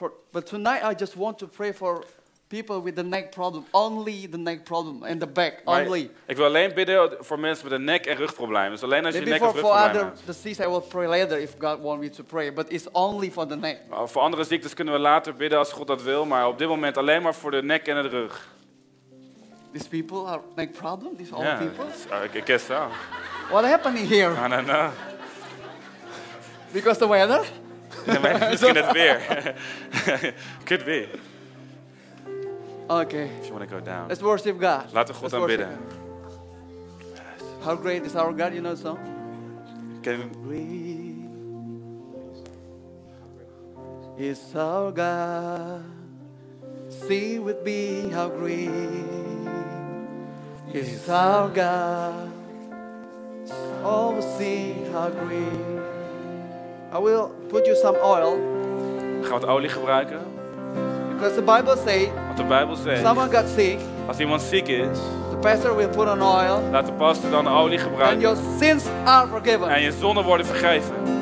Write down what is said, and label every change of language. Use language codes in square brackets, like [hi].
[en] But tonight I just want to pray for people with the neck problem, only the neck problem and the back only. [nl] Ik wil alleen bidden voor mensen met een nek en rugproblemen. Dus alleen als je nek of rugproblemen. [en] Maybe for other diseases I will pray later if God wants me to pray, but it's only for the neck. [nl] Voor andere ziektes kunnen we later bidden als God dat wil, maar op dit moment alleen maar voor de nek en het rug. [en] These people are neck problem. These old people. Yeah, I guess so. What happening here? I don't know. Because the weather? [nl] Misschien het weer. [en] Could be. Okay. If you want to go down. Let's worship God. [nl] Laten we God aanbidden. [en] How great is our God, you know the song? Can we? Is our God. See with me how great. Is our God. Oh, see how great. I will put you some oil. [nl] Gaan we wat olie gebruiken? [en] Because the Bible says, [nl] want de Bijbel zegt, [en] someone got sick, [nl] als iemand ziek is, [en] the pastor will put on oil. [nl] Laat de pastor dan olie gebruiken. [en] And your sins are forgiven. [nl] En je zonden worden vergeven.